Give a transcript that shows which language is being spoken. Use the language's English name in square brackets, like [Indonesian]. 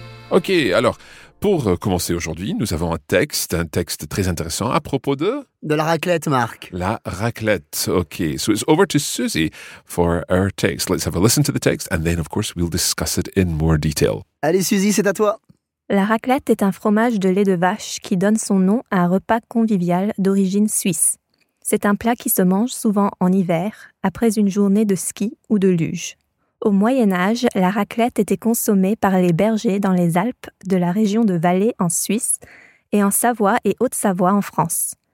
[French] Ok, alors, pour commencer aujourd'hui, nous avons un texte très intéressant à propos de... De la raclette, Marc. La raclette, ok. [English] So it's over to Susie for our text. Let's have a listen to the text and then, of course, we'll discuss it in more detail. [French] Allez, Susie, c'est à toi. La raclette est un fromage de lait de vache qui donne son nom à un repas convivial d'origine suisse. C'est un plat qui se mange souvent en hiver, après une journée de ski ou de luge. Au Moyen-Âge, la raclette était consommée par les bergers dans les Alpes de la région de Valais en Suisse et en Savoie et Haute-Savoie en France.